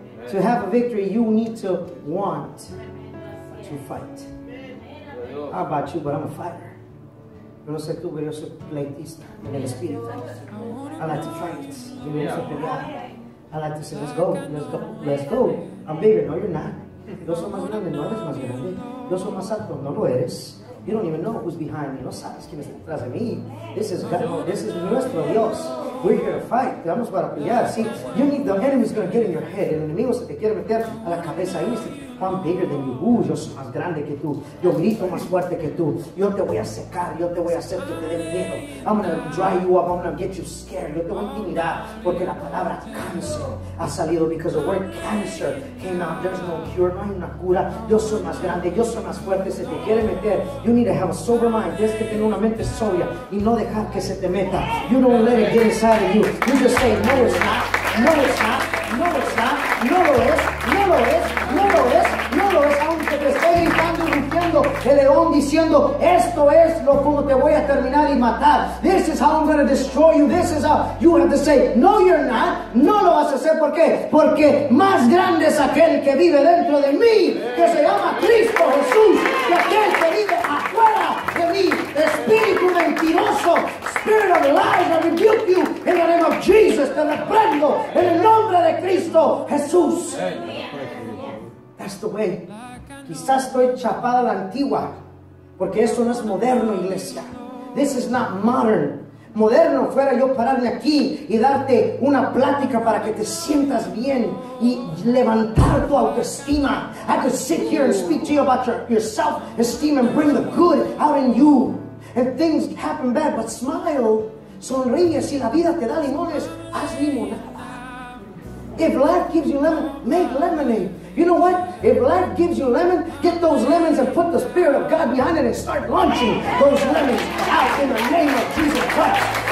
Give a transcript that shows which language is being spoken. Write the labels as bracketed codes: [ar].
[en] To have a victory, you need to want to fight. How about you? But I'm a fighter. [es] Yo no sé tú, pero yo soy pleitista en el espíritu. [en] I like to fight. [es] Yo me gusta pelear. [en] I like to say, let's go, let's go, let's go. I'm bigger. No, you're not. [es] Yo soy más grande. No eres más grande. Yo soy más alto. No lo eres. [en] You don't even know who's behind me. [es] No sabes quién está detrás de mí. [en] This is God. This is [es] nuestro Dios. [en] We're here to fight. [es] Vamos para pelear. [en] See, you need, the enemy's going to get in your head. [es] El enemigo se te quiere meter a la cabeza. Y dice, [en] I'm bigger than you. [es] Yo soy más grande que tú. Yo grito más fuerte que tú. Yo te voy a secar. Yo te voy a hacer que te dé miedo. [en] I'm going to dry you up. I'm going to get you scared. [es] Yo te voy a intimidar. Porque la palabra cancer ha salido. [en] Because the word cancer came out. There's no cure. [es] No hay una cura. Yo soy más grande. Yo soy más fuerte. Se te quiere meter. [en] You need to have a sober mind. [es] Tienes que tener una mente sobria. Y no dejar que se te meta. [en] You don't let it get inside. You just say, no, it's not, [es] no, it's not, no, it's not, no lo es, no lo es, no lo es, no lo es, aunque te esté gritando y rugiendo el león diciendo, esto es lo como te voy a terminar y matar. [en] This is how I'm going to destroy you. This is how you have to say, no, you're not, [es] no lo vas a hacer. ¿Por qué? Porque más grande es aquel que vive dentro de mí, que se llama Cristo Jesús, que aquel que vive afuera de mí, espíritu mentiroso. [en] Spirit of lies, I rebuke you in the name of Jesus. [es] Te reprendo en el nombre de Cristo Jesús. [en] That's the way. [es] Quizás estoy chapada a la antigua, porque eso no es moderno, iglesia. [en] This is not modern. [es] Moderno fuera yo pararme aquí y darte una plática para que te sientas bien y levantar tu autoestima. [en] I could sit here and speak to you about your self-esteem and bring the good out in you. And things happen bad, but smile. [es] Sonríe. Si la vida te da limones, haz limonada. [en] If life gives you lemon, make lemonade. You know what? If life gives you lemon, get those lemons and put the Spirit of God behind it and start launching those lemons out in the name of Jesus Christ.